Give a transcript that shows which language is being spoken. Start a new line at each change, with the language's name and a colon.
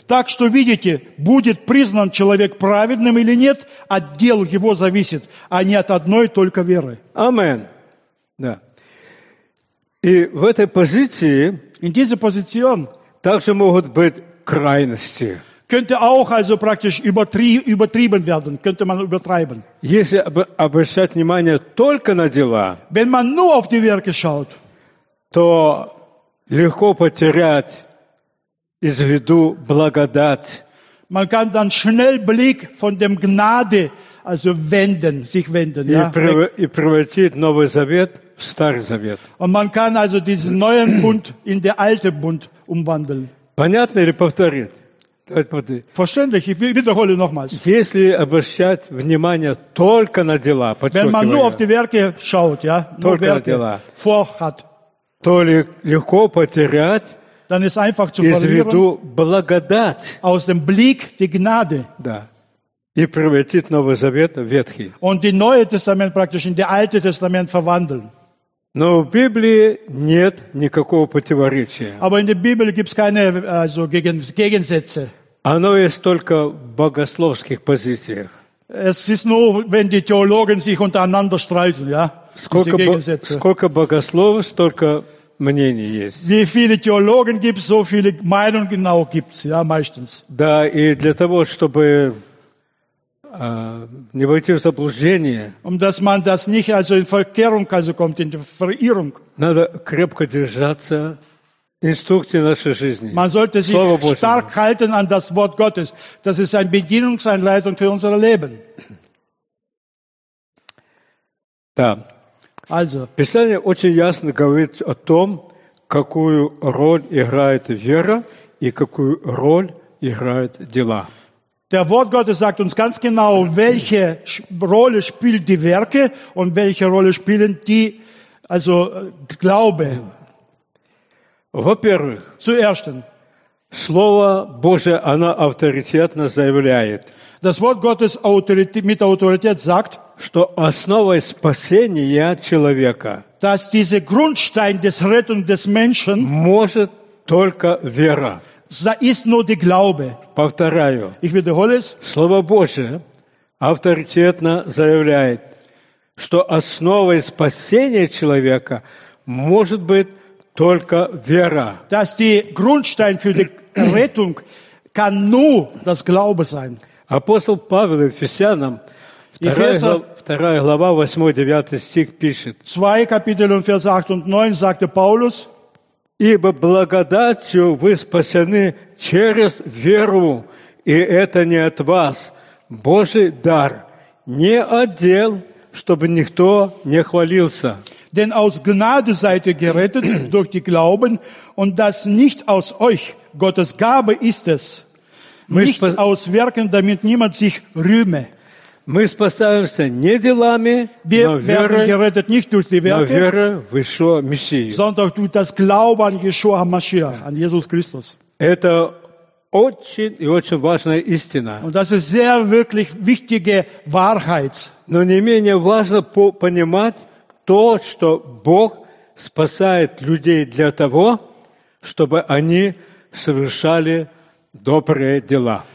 Russian: Так что, видите, будет признан человек правильным или нет, от дел его зависит, а не от одной только веры. Амен. Да. И в этой позиции
German: in diese Position,
Russian: также могут быть крайности.
German: Könnte auch also praktisch übertrieben werden, könnte man übertreiben.
Russian: Если обращать внимание только на дела,
German: wenn man nur auf die Werke schaut,
Russian: то легко потерять из виду благодать.
German: Man kann dann schnell Blick von dem Gnade also wenden, sich wenden.
Russian: И,
German: ja?
Russian: и превратить Новый Завет в Старый Завет.
German: Und man kann also diesen neuen Bund in den alten Bund umwandeln.
Russian: Понятно или повторит?
German: Verständlich, ich wiederhole nochmals.
Russian: Если обращать внимание только на дела,
German: wenn man nur auf die Werke schaut, ja,
Russian: только
German: Werke
Russian: на дела,
German: vorhat,
Russian: то легко потерять,
German: dann ist einfach zu
Russian: из виду благодать,
German: aus dem Blick die Gnade,
Russian: да, и превратить Новый Завет в Ветхий.
German: Und die Neue Testament praktisch in die Alte Testament verwandeln.
Russian: Но в Библии нет никакого противоречия.
German: Aber in der Bibel gibt's keine also Gegensätze.
Russian: Оно есть только в богословских позициях.
German: Es ist nur, wenn die Theologen sich untereinander streiten, ja?
Russian: Сколько, сколько богословов, столько мнений есть.
German: Wie viele Theologen gibt's, so viele Meinungen auch gibt's, ja, meistens.
Russian: Да, и для того, чтобы не войти в заблуждение.
German: Um, dass man das nicht also in Verkehrung also kommt, in die Verirrung.
Russian: Надо крепко держаться инструкции нашей жизни.
German: Man sollte sich
Russian: Слово Божьему.
German: Stark halten an das Wort Gottes. Das ist eine Bedienungsanleitung für unser Leben.
Russian: Да.
German: Also.
Russian: Писание очень ясно говорит о том, какую роль играет вера и какую роль играют дела.
German: Der Wort Gottes sagt uns ganz genau, welche Rolle spielt die Werke und welche Rolle spielen die, also Glaube.
Russian: Во-первых,
German: zuerst,
Russian: Слово Божие, оно авторитетно заявляет,
German: das Wort Gottes mit Autorität sagt,
Russian: что основой спасения человека,
German: dass dieser Grundstein des Rettung des Menschen
Russian: может только вера.
German: Da ist nur die Glaube.
Russian: Повторяю.
German: Ich wiederhole es.
Russian: Слово Божие авторитетно заявляет, что основой спасения человека может быть только вера.
German: Dass die Grundstein für die Rettung kann nur das Glaube sein.
Russian: Апостол Павел Ефесянам, вторая глава, 8-9 стих пишет.
German: 2 Kapitel und Vers 8 und 9 sagte Paulus,
Russian: ибо благодатью вы спасены через веру, и это не от вас. Божий дар, не от дел, чтобы никто не хвалился.
German: Denn aus Gnade seid ihr gerettet durch die Glauben, und das nicht aus euch, Gottes Gabe ist es. Nichts aus Werken, damit niemand sich rühme.
Russian: Мы спасаемся не делами,
German: wir
Russian: но верой,
German: nicht durch die Werke,
Russian: но верой в Иешуа Мессию.
German: Sondern durch das Glauben an Jeshua HaMashiach, an Jesus Christus.
Russian: Это очень и очень важная истина.
German: Und das ist sehr wirklich wichtige Wahrheit.
Russian: Но не менее важно понимать то, что Бог спасает людей для того, чтобы они совершали добрые дела.